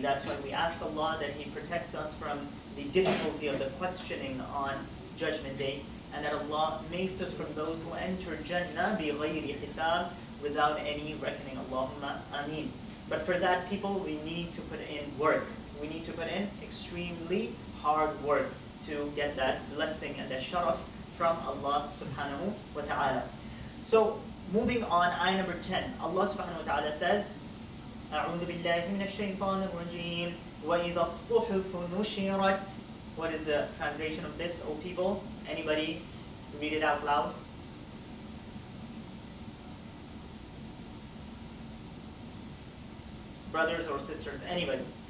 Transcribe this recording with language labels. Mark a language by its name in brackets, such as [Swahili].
[English] That's why we ask Allah that He protects us from the difficulty of the questioning on Judgment Day, and that Allah makes us from those who enter Jannah [Arabic] بِغَيْرِ حِسَابٍ, [English] without any reckoning. Allahumma ameen. But for that, people, we need to put in work. We need to put in extremely hard work to get that blessing and that sharaf from Allah subhanahu wa ta'ala. So, moving on, ayah number 10. Allah subhanahu wa ta'ala says, [Arabic] أَعُوذُ بِاللَّهِ مِنَ الشَّيْطَانِ الرَّجِيمِ وَإِذَا الصُّحُفُ نُشِرَتْ. [English] What is the translation of this, O people? Anybody read it out loud? Brothers or sisters, anybody?